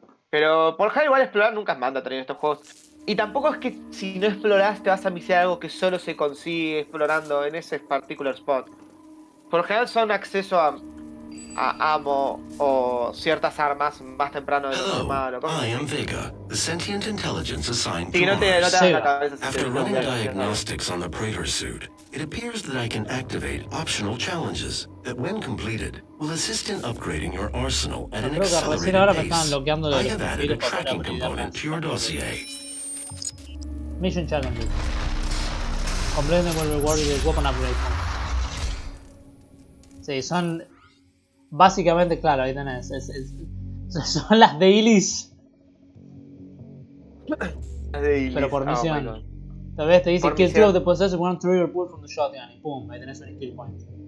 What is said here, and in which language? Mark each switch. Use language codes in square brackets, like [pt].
[es] Pero por general igual explorar nunca es mandatorio en estos juegos. Y tampoco es que si no explorás te vas a misear algo que solo se consigue explorando en ese particular spot. Por general son acceso a ammo o ciertas armas más temprano de lo normal o cosas. [en] I am Vega, the sentient intelligence assigned to Mars. [es] Sí, no te [en] after running diagnostics on the Praetor suit, it appears that I can activate optional challenges that, when completed, will assist in upgrading your arsenal at an accelerated pace. I have added a tracking component to your dossier. Mission challenges. Complete them will reward you with weapon upgrade. [es] Sí, son básicamente, claro, ahí tenés, son las dailies. Pero por misión. Tal vez te dice, [en] kill 2 of the possessors, one trigger pull from the shotgun, [es] y pum, ahí tenés un skill point.